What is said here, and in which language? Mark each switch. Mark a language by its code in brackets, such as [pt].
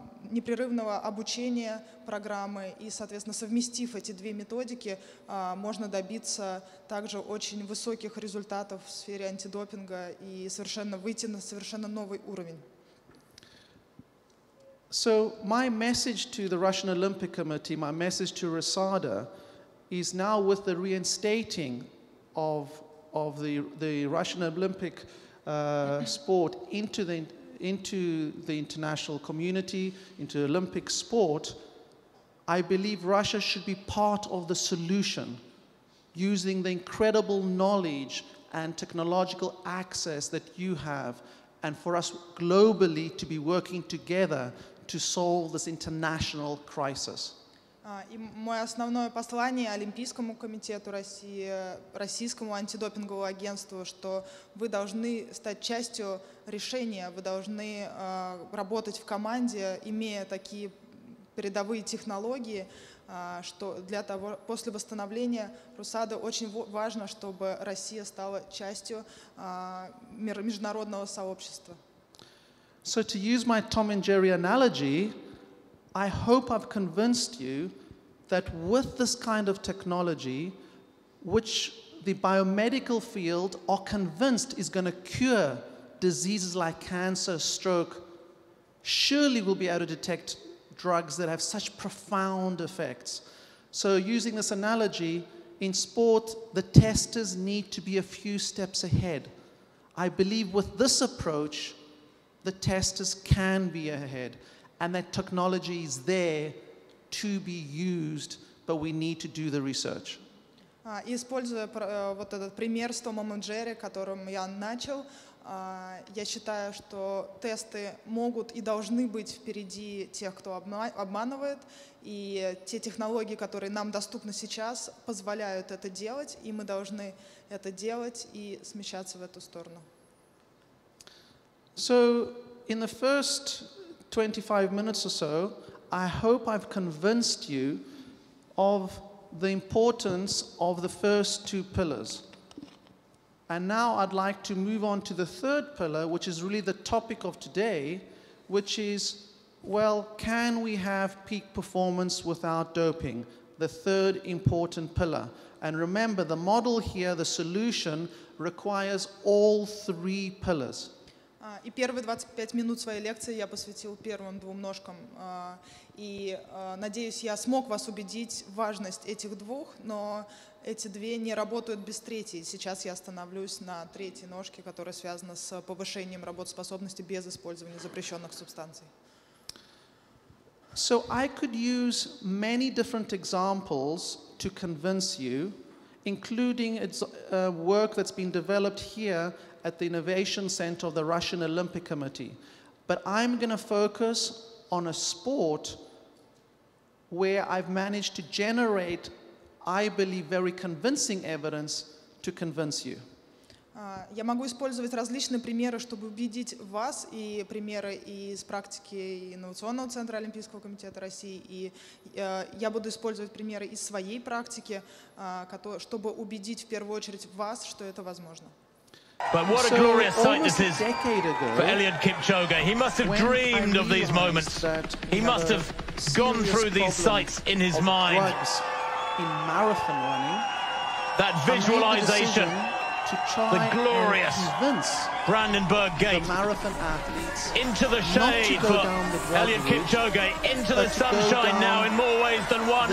[ru] непрерывного обучения программы, и, соответственно, совместив эти две методики, можно добиться также очень высоких результатов в сфере антидопинга и совершенно выйти на совершенно новый уровень. [en] So my message to the Russian Olympic Committee, my message to RASADA, is now with the reinstating of the Russian Olympic sport into the international community, into Olympic sport, I believe Russia should be part of the solution, using the incredible knowledge and technological access that you have, and for us globally to be working together to solve this international crisis. [ru] И мое основное послание Олимпийскому комитету России, Российскому антидопинговому агентству, что вы должны стать частью решения, вы должны работать в команде, имея такие передовые технологии, что для того, после восстановления Русада очень важно, чтобы Россия стала частью международного сообщества. [en] So to use my Tom and Jerry analogy, I hope I've convinced you that with this kind of technology, which the biomedical field are convinced is going to cure diseases like cancer, stroke, surely we'll be able to detect drugs that have such profound effects. So using this analogy, in sport, the testers need to be a few steps ahead. I believe with this approach, the testers can be ahead, and that technology is there to be used, but we need to do the research. [ru] Используя вот этот пример с Томом и Джерри, которым я начал, я считаю, что тесты могут и должны быть впереди тех, кто обманывает, и те технологии, которые нам доступны сейчас, позволяют это делать, и мы должны это делать и смещаться в эту сторону. [en] So, in the first 25 minutes or so, I hope I've convinced you of the importance of the first two pillars. And now I'd like to move on to the third pillar, which is really the topic of today, which is, well, can we have peak performance without doping? The third important pillar. And remember, the model here, the solution, requires all three pillars. [ru] И первые 25 минут своей лекции я посвятил первым двум ножкам. И надеюсь, я смог вас убедить в важность этих двух, но эти две не работают без третьей. Сейчас я остановлюсь на третьей ножке, которая связана с повышением работоспособности без использования запрещенных субстанций. [en] So I could use many different examples to convince you, including work that's been developed here at the Innovation Center of the Russian Olympic Committee. But I'm going to focus on a sport where I've managed to generate, I believe, very convincing evidence to convince you. [ru] Я могу использовать различные примеры, чтобы убедить вас, и примеры из практики Инновационного центра Олимпийского комитета России, и я буду использовать примеры из своей практики, чтобы убедить в первую очередь вас, что это возможно. [en] But what a glorious sight this is for Eliud Kipchoge. He must have dreamed of these moments. He must have gone through these sights in his mind. In marathon running, that visualization, the glorious Brandenburg gate, into the shade for Eliud Kipchoge, into the sunshine now in more ways than one.